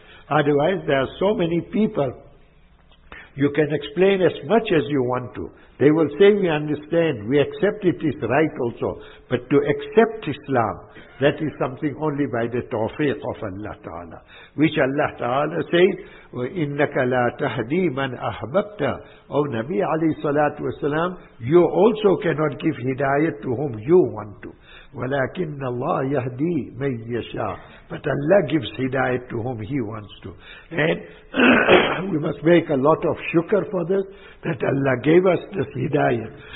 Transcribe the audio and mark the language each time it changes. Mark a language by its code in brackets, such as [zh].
[en] Otherwise, there are so many people. You can explain as much as you want to. They will say, we understand, we accept it is right also. But to accept Islam, that is something only by the tawfiq of Allah Ta'ala. Which Allah Ta'ala says, [ar] وَإِنَّكَ لَا تَهْدِي مَنْ أَحْبَبْتَ. [en] O Nabi alayhi salatu wasalam, you also cannot give hidayat to whom you want to. [ar] وَلَكِنَّ اللَّهَ يَهْدِي مَنْ يَشَاءُ. [en] But Allah gives hidayat to whom He wants to. And we must make a lot of shukr for this, that Allah gave us this hidayat.